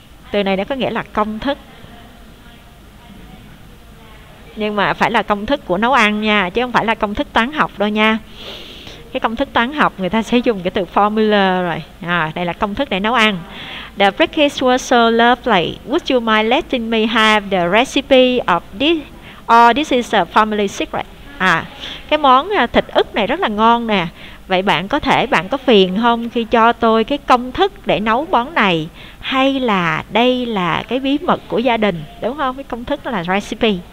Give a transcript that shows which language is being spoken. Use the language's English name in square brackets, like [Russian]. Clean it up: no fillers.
[Vietnamese] Từ này nó có nghĩa là công thức. Nhưng mà phải là công thức của nấu ăn nha, chứ không phải là công thức toán học đâu nha. Cái công thức toán học người ta sẽ dùng cái từ formula rồi. À, đây là công thức để nấu ăn. [English] The breakfast was so lovely. Would you mind letting me have the recipe of this? Or this is a family secret. [Vietnamese] À, cái món thịt ức này rất là ngon nè. Vậy bạn có thể, bạn có phiền không khi cho tôi cái công thức để nấu món này? Hay là đây là cái bí mật của gia đình, đúng không? Cái công thức đó là recipe.